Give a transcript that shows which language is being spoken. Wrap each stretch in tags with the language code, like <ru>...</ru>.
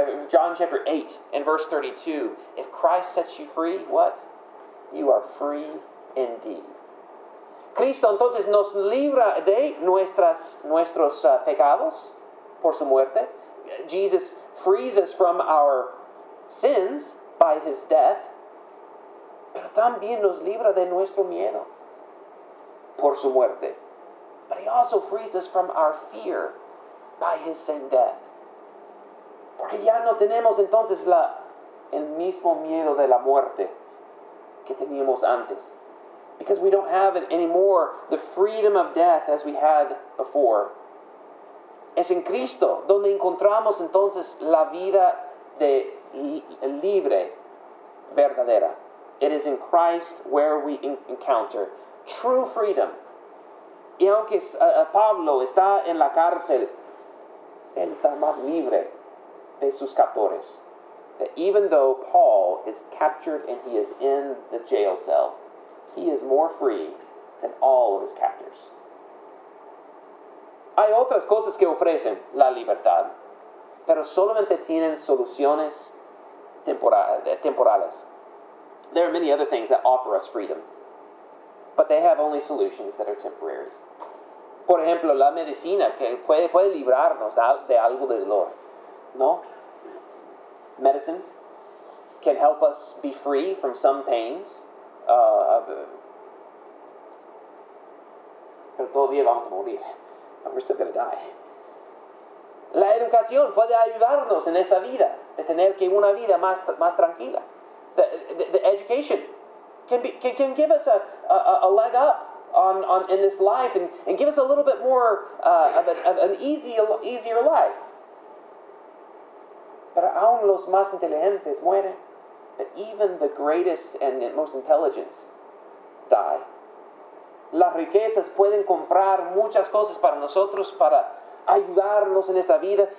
<en>John chapter 8 and verse 32, if Christ sets you free, what? You are free indeed.</en> <es>Cristo entonces nos libra de nuestros pecados por su muerte.</es> <en>Jesus frees us from our sins by his death.</en> <es>Pero también nos libra de nuestro miedo por su muerte.</es> <en>But he also frees us from our fear by his same death.</en> <es>Porque ya no tenemos entonces el mismo miedo de la muerte que teníamos antes.</es> <en>Because we don't have it anymore, the freedom of death as we had before.</en> <es>Es en Cristo donde encontramos entonces la vida de libre verdadera.</es> <en>It is in Christ where we encounter true freedom.</en> <es>Y aunque Pablo está en la cárcel, él está más libre de sus captores.</es> <en>That even though Paul is captured and he is in the jail cell, he is more free than all of his captors.</en> <es>Hay otras cosas que ofrecen la libertad, pero solamente tienen soluciones temporales.</es> <en>There are many other things that offer us freedom, but they have only solutions that are temporary.</en> <es>Por ejemplo, la medicina que puede librarnos de algo de dolor, ¿no?</es> <en>Medicine can help us be free from some pains.</en> <es>Pero todavía vamos a morir.</es> <en>We're still going to die.</en> <es>La educación puede ayudarnos en esa vida, de tener que una vida más tranquila.</es> <en>The education can give us a leg up on in this life and give us a little bit more of an easier life.</en> <es>Pero aún los más inteligentes mueren.</es> <en>But even the greatest and most intelligent die.</en> <es>Las riquezas pueden comprar muchas cosas para nosotros para ayudarnos en esta vida.</es>